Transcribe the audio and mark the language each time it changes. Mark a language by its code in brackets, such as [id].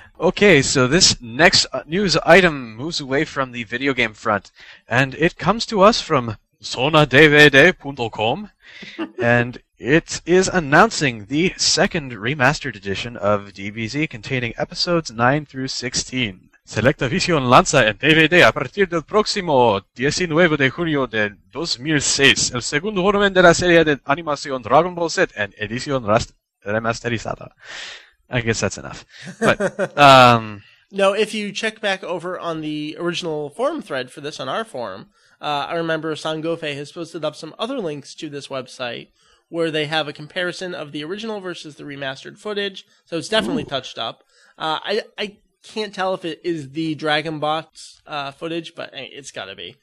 [en] okay, so this next news item moves away from the video game front, and it comes to us from sonadvd.com, and it is announcing the second remastered edition of DBZ containing episodes 9 through 16. [es] Selecta Vision lanza en DVD a partir del próximo 19 de junio de 2006 el segundo volumen de la serie de animación Dragon Ball Z en edición remasterizada. [en] I guess that's enough. But no, if you check back over on the original forum thread for this on our forum, I remember San Gofei has posted up some other links to this website where they have a comparison of the original versus the remastered footage. So it's definitely touched up. I can't tell if it is the Dragon Box footage, but it's got to be.